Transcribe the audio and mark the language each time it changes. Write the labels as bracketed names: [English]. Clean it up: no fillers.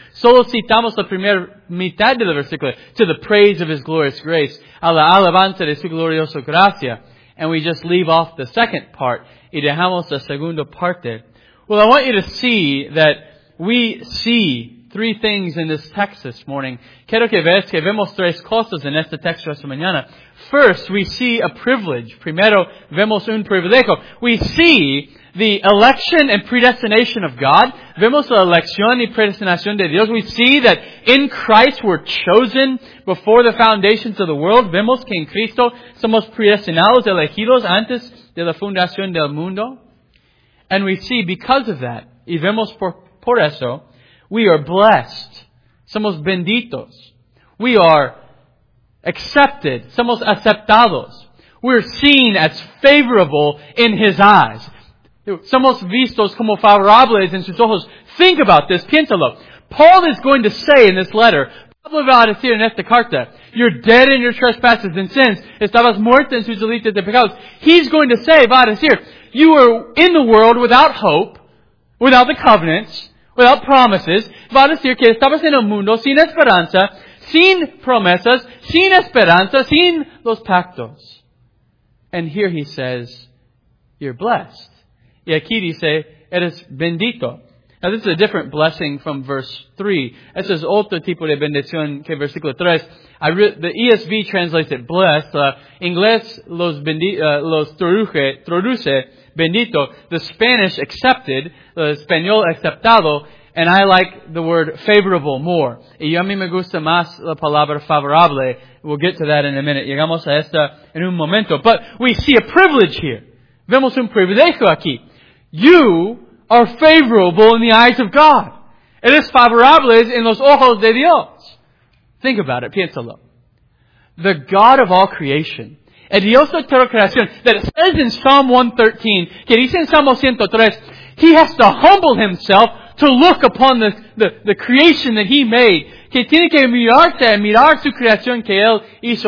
[Spanish] Solo citamos la primera mitad del versículo, [English] to the praise of His glorious grace. [Spanish] A la alabante de su glorioso gracia. [English] And we just leave off the second part. [Spanish] Y dejamos la segunda parte. [English] Well, I want you to see that we see three things in this text this morning. Quiero que veas que vemos tres cosas en este texto esta mañana. First, we see a privilege. [Spanish] Primero, vemos un privilegio. [English] We see the election and predestination of God. [Spanish] Vemos la elección y predestinación de Dios. [English] We see that in Christ we're chosen before the foundations of the world. [Spanish] Vemos que en Cristo somos predestinados, elegidos antes de la fundación del mundo. [English] And we see because of that, [Spanish] y vemos por eso, [English] we are blessed. [Spanish] Somos benditos. [English] We are accepted. [Spanish] Somos aceptados. [English] We're seen as favorable in His eyes. [Spanish] Somos vistos como favorables en sus ojos. [English] Think about this. [Spanish] Piénsalo. [English] Paul is going to say in this letter, [Spanish] Pablo va a decir en esta carta, [English] you're dead in your trespasses and sins. [Spanish] Estabas muerto en sus delitos de pecados. [English] He's going to say, [Spanish] va a decir, [English] you are in the world without hope, without the covenants, without promises. [Spanish] Va a decir que estabas en el mundo sin esperanza, sin promesas, sin esperanza, sin los pactos. [English] And here he says, you're blessed. [Spanish] Y aquí dice, eres bendito. [English] Now this is a different blessing from verse 3. [Spanish] Este es otro tipo de bendición que versículo 3. [English] The ESV translates it blessed. [Spanish] Inglés los traduce bendito. [English] The Spanish accepted, the [Spanish] español aceptado, [English] and I like the word favorable more. [Spanish] Y a mí me gusta más la palabra favorable. [English] We'll get to that in a minute. [Spanish] Llegamos a esta en un momento. [English] But we see a privilege here. [Spanish] Vemos un privilegio aquí. [English] You are favorable in the eyes of God. [Spanish] Eres favorable en los ojos de Dios. [English] Think about it. [Spanish] Piénsalo. [English] The God of all creation. [Spanish] El Dios de toda creación. [English] That it says in Psalm 113, [Spanish] que dice en Salmo 103, [English] He has to humble Himself to look upon the creation that He made. [Spanish] Que tiene que mirarse, mirar su creación que Él hizo.